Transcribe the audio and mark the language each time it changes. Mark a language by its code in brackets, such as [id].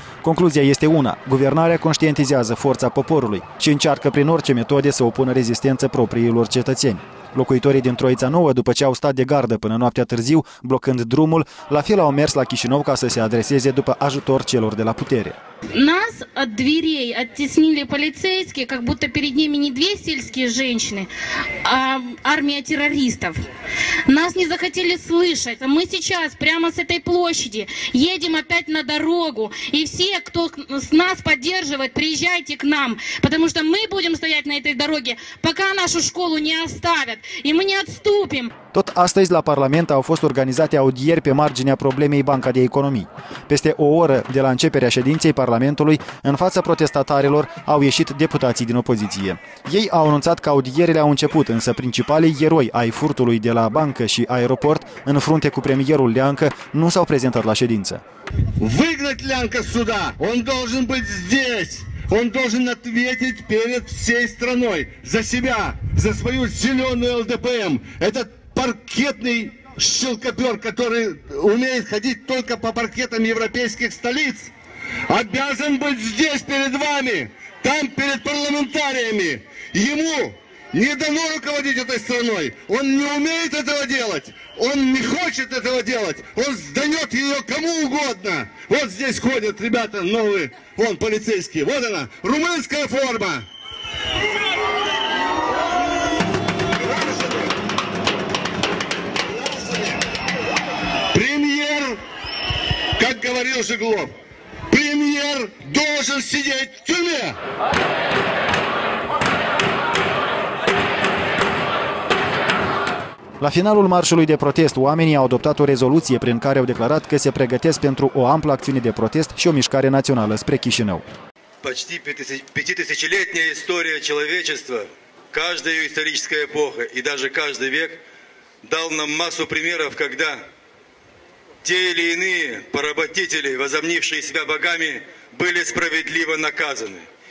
[ro] Concluzia este una, guvernarea conștientizează forța poporului și încearcă prin orice metode să opună rezistență propriilor cetățeni. Locuitorii din Troița Nouă, după ce au stat de gardă până noaptea târziu, blocând drumul, la fel au mers la Chișinău ca să se adreseze după ajutor celor de la putere. [ru] Нас от дверей оттеснили полицейские, как будто перед ними не две сельские женщины, а армия террористов. Нас не захотели слышать. Мы сейчас прямо с этой площади едем опять на дорогу. И все, кто нас поддерживает, приезжайте к нам. Потому что мы будем стоять на этой дороге, пока нашу школу не оставят. И мы не отступим. [ro] Tot astăzi la Parlament au fost organizate audieri pe marginea problemei Banca de Economii. Peste o oră de la începerea ședinței Parlamentului, în fața protestatarilor au ieșit deputații din opoziție. Ei au anunțat că audierile au început, însă principalii eroi ai furtului de la bancă și aeroport, în frunte cu premierul Leancă, nu s-au prezentat la ședință. [ru] Выгнать Leancă сюда! Он должен быть здесь! Он должен ответить перед всей страной за себя, за свою зеленую ЛДПМ. Этот паркетный щелкопер, который умеет ходить только по паркетам европейских столиц, обязан быть здесь перед вами, там перед парламентариями. Ему не дано руководить этой страной. Он не умеет этого делать. Он не хочет этого делать. Он сдает ее кому угодно. Вот здесь ходят ребята новые, вон полицейские. Вот она, румынская форма. Как говорил Жеглов, премьер должен сидеть в тюрьме. [ro] La finalul marșului de protest, oamenii au adoptat o rezoluție prin care au declarat că se pregătesc pentru o amplă acțiune de protest și o mișcare națională spre Chișinău. [ru] Почти 50-летняя история человечества, каждая историческая эпоха и даже каждый век дал нам массу примеров, когда те или иные поработители, возомнившие себя богами, были справедливо наказаны.